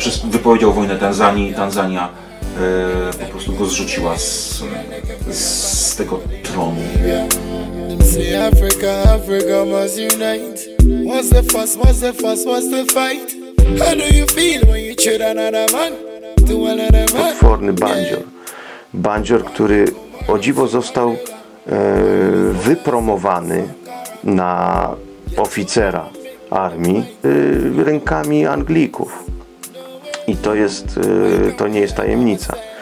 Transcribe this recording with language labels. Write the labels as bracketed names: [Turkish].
[Polish] wypowiedział wojnę Tanzanii i Tanzania po prostu go zrzuciła z tego tronu. [English] Africa, Africa must unite. What's the fuss, what's the fuss, what's the fight? How do you feel when you cheer another man? [Polish] Potworny bandzior. Bandzior, który o dziwo został wypromowany na oficera armii rękami Anglików. I to jest, to nie jest tajemnica.